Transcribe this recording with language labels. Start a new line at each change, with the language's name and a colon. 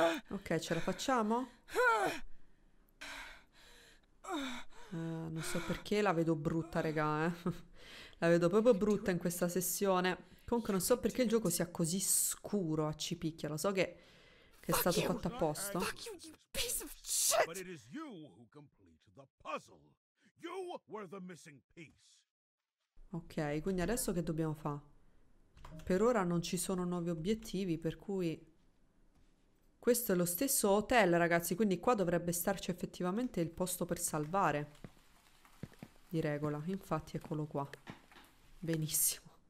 Italian: Ok, ce la facciamo? Non so perché la vedo brutta, raga, eh. La vedo proprio brutta in questa sessione. Comunque non so perché il gioco sia così scuro a cipicchia. Lo so che è stato fatto apposta.
English: Shit. But it is you who complete the puzzle. You were the missing piece.
Italian: Ok, quindi adesso che dobbiamo fare? Per ora non ci sono nuovi obiettivi, per cui questo è lo stesso hotel, ragazzi, quindi qua dovrebbe starci effettivamente il posto per salvare. Di regola, infatti eccolo qua. Benissimo.